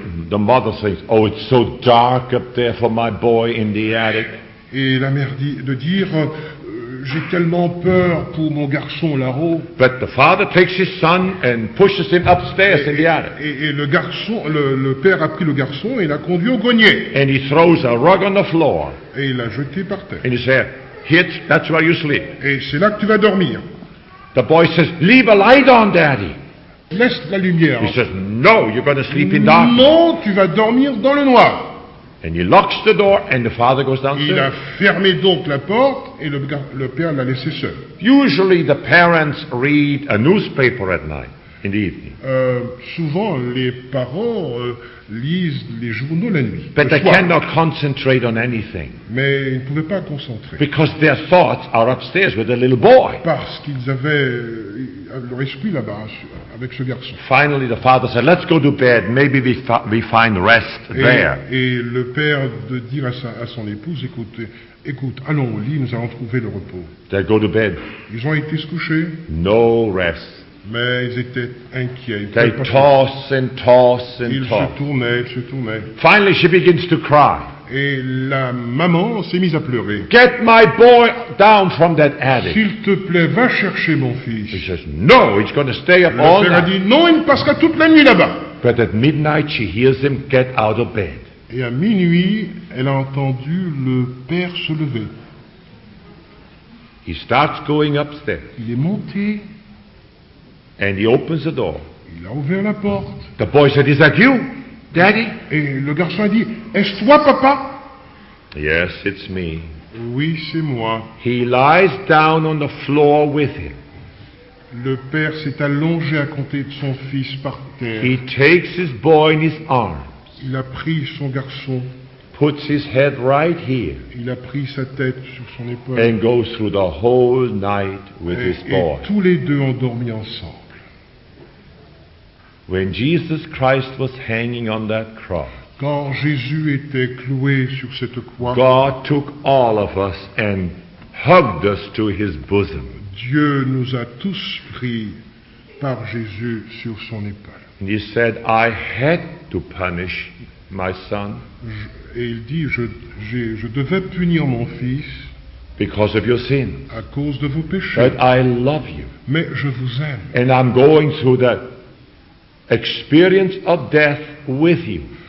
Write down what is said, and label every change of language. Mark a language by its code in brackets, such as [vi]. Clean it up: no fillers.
[en] The mother thinks, oh, it's so dark up there for my boy in the attic. [fr] Et la mère dit de dire, j'ai tellement peur pour mon garçon là-haut. [en] But the father takes his son and pushes him upstairs in the attic. [fr] Et le garçon, le père a pris le garçon et l'a conduit au grenier. [en] And he throws a rug on the floor. [fr] Et il l'a jeté par terre. [en] And he said, Hit, that's where you sleep. [fr] Et c'est là que tu vas dormir. [en] The boy says, Leave a light on, Daddy. [fr] Laisse la lumière. [en] He says, No, you're going to sleep in darkness. [fr] Non, tu vas dormir dans le noir. [en] And he locks the door and the father goes downstairs. [fr] Il a fermé donc la porte et le père l'a laissé seul. [en] Usually the parents read a newspaper at night. Indeed. [fr] Souvent, les parents lisent les journaux la nuit. [en] But they cannot concentrate on anything. [fr] Mais ils ne pouvaient pas concentrer. [en] Because their thoughts are upstairs with a little boy. [fr] Parce qu'ils avaient leur esprit là-bas avec ce garçon. [en] Finally, the father said, "Let's go to bed. Maybe we find rest there." [fr] Et le père de dire à son épouse, écoute, allons au lit, nous allons trouver le repos. [en] They go to bed. [fr] Ils ont été se coucher. [en] No rest. [fr] Mais ils étaient inquiets. [en] They toss and toss and [fr] ils [en] toss. [fr] Se tournaient. [en] Finally, she begins to cry. [fr] Et la maman s'est mise à pleurer. [en] Get my boy down from that attic. [fr] S'il te plaît, va chercher mon fils. [en] He says, no, he's going to stay up all night. [fr] Le père a dit, non, il passera toute la nuit là-bas. [en] But at midnight, she hears him get out of bed. [fr] Et à minuit, elle a entendu le père se lever. [en] He starts going upstairs. [fr] Il est monté. [en] And he opens the door. [fr] Il a ouvert la porte. [en] The boy said, "Is that you, Daddy?" [fr] Et le garçon a dit, "Est-ce toi, papa?" [en] "Yes, it's me." [fr] Oui, c'est moi. [en] He lies down on the floor with him. [fr] Le père s'est allongé à côté de son fils par terre. [en] He takes his boy in his arms. [fr] Il a pris son garçon. [en] Puts his head right here. [fr] Il a pris sa tête sur son épaule. [en] And goes through the whole night with his boy. [fr] Et tous les deux ont dormi ensemble. [en] When Jesus Christ was hanging on that cross, [fr] quand Jésus était cloué sur cette croix, [en] God took all of us and hugged us to his bosom. [fr] Dieu nous a tous pris par Jésus sur son épaule. [en] And he said, "I had to punish my son." [fr] Et il dit, je devais punir mon fils. [en] Because of your sin. [fr] À cause de vos péchés. [en] But I love you. [fr] Mais je vous aime. [en] And I'm going through that experience of death with you.